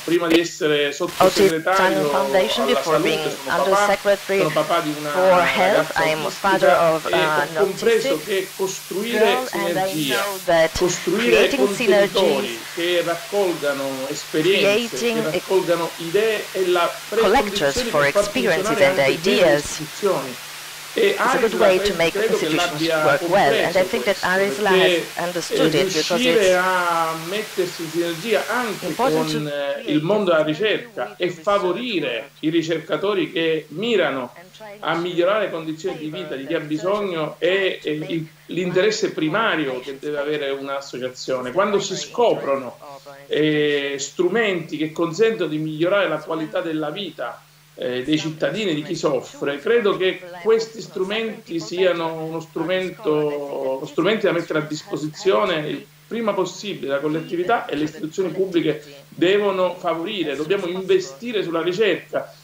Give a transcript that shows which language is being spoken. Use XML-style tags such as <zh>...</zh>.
<it>Prima di essere sottosegretario alla salute sono papà di una ragazza autistica e ho compreso che costruire sinergia, costruire contenitori che raccolgano esperienze, che raccolgano idee e la precondizione di far funzionare le istituzioni</it> <en>It's a good way to make the institutions work well, and I think that Aris has understood it because it's</en> <it>a mettersi in sinergia anche con il mondo della ricerca e favorire i ricercatori che mirano a migliorare le condizioni di vita di chi ha bisogno è l'interesse primario che deve avere un'associazione. Quando si scoprono strumenti che consentono di migliorare la qualità della vita dei cittadini, di chi soffre, credo che questi strumenti siano strumenti da mettere a disposizione il prima possibile la collettività, e le istituzioni pubbliche devono favorire, dobbiamo investire sulla ricerca.</it>